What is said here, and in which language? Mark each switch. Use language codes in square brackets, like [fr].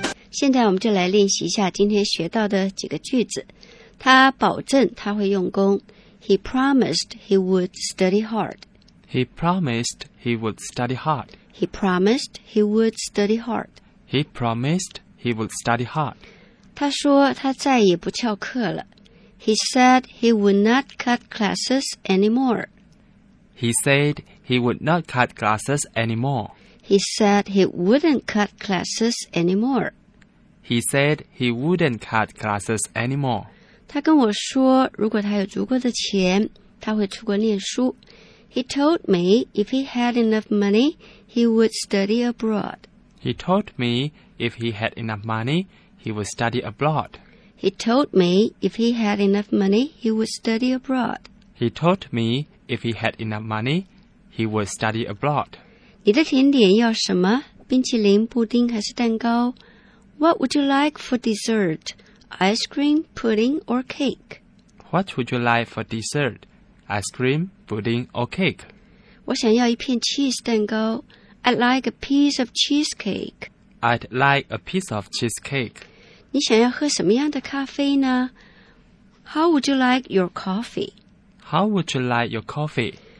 [zh] 现在我们就来练习一下今天学到的几个句子他保证他会用功 [en] He promised he would study hard He promised he would study hard He promised he would study hard He promised he would study hard [zh] 他说他再也不翘课了 [en] He said he would not cut classes anymore He said he would not cut classes anymore He said he wouldn't cut classes anymore He said he wouldn't cut classes anymore [zh] 他跟我说如果他有足够的钱他会出国念书。 [en] He told me if he had enough money, he would study abroad. He told me if he had enough money, he would study abroad. He told me if he had enough money, he would study abroad. He told me if he had enough money, he would study abroad. [zh] 你的甜点要什么？冰淇淋、布丁还是蛋糕？ [en] What would you like for dessert? Ice cream, pudding, or cake? What would you like for dessert? Ice cream, pudding, or cake? [zh] 我想要一片 cheese 蛋糕。 [en] I'd like a piece of cheesecake. I'd like a piece of cheesecake. [zh] 你想要喝什么样的咖啡呢? [en] How would you like your coffee? How would you like your coffee?